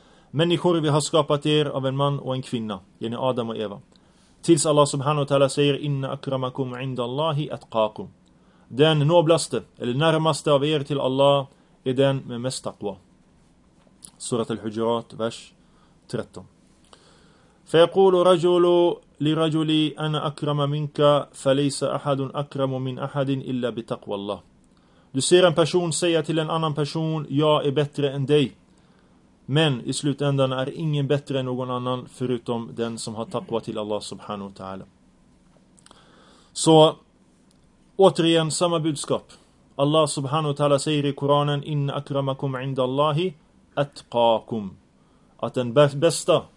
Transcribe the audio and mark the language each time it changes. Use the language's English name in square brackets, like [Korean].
[Swedish] Människor, vi har skapat er av en man och en kvinna, yani Adam och Eva. Tills Allah subhanahu wa ta'ala säger: [Arabic] Inna akramakum 'inda Allahi atqakum. [Swedish] Den noblaste eller närmaste av er till Allah är den med mest taqwa. Surat al-Hujurat, vers 13. [Arabic] فيقول رجل لرجل أنا أكرم منك فليس أحد أكرم من أحد إلا بتقوى الله. [Swedish] Du ser en person säga till en annan person: Jag är bättre än dig. Men i slutändan är ingen bättre än någon annan förutom den som har taqwa till Allah subhanahu wa ta'ala. Så återigen samma budskap. Allah subhanahu wa ta'ala säger i Koranen: [Arabic] Inna akramakum 'inda Allahi atqakum. [Swedish] Att den bästa